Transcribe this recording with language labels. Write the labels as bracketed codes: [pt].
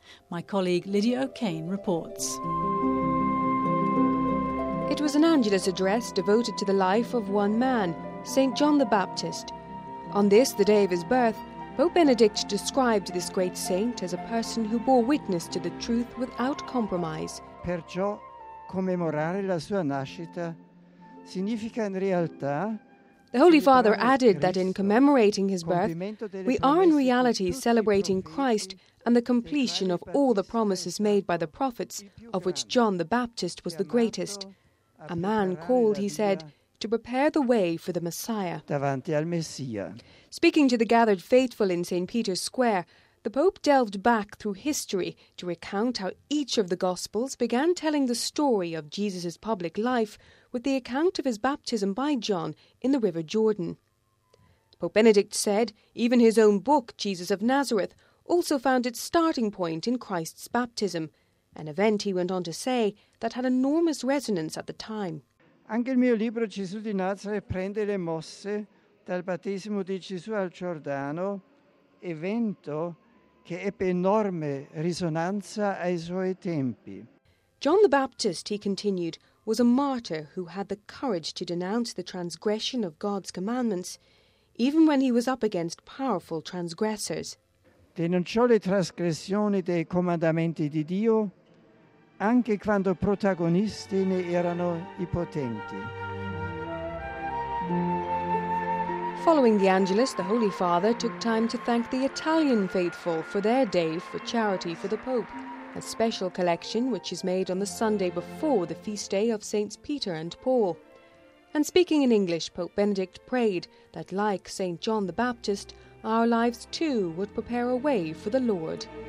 [en] My colleague Lydia O'Kane reports. It was an Angelus address devoted to the life of one man, St. John the Baptist. On this, the day of his birth, Pope Benedict described this great saint as a person who bore witness to the truth without compromise. [it] Perciò commemorare la sua nascita significa in realtà. [en] The Holy Father added that in commemorating his birth, we are in reality celebrating Christ and the completion of all the promises made by the prophets, of which John the Baptist was the greatest. A man called, he said, to prepare the way for the Messiah. [it] Davanti al Messia. [en] Speaking to the gathered faithful in St. Peter's Square, the Pope delved back through history to recount how each of the Gospels began telling the story of Jesus' public life with the account of his baptism by John in the River Jordan. Pope Benedict said even his own book, Jesus of Nazareth, also found its starting point in Christ's baptism, an event, he went on to say, that had enormous resonance at the time. [it] Anche il mio libro Gesù di Nazareth prende le mosse dal battesimo di Gesù al Giordano, evento che ebbe enorme risonanza ai suoi tempi. [en] John the Baptist, he continued, was a martyr who had the courage to denounce the transgression of God's commandments, even when he was up against powerful transgressors. [it] Denunciò le trasgressioni dei comandamenti di Dio, anche quando protagonisti ne erano i potenti. [en] Following the Angelus, the Holy Father took time to thank the Italian faithful for their day for charity for the Pope, a special collection which is made on the Sunday before the feast day of Saints Peter and Paul. And speaking in English, Pope Benedict prayed that, like Saint John the Baptist, our lives too would prepare a way for the Lord.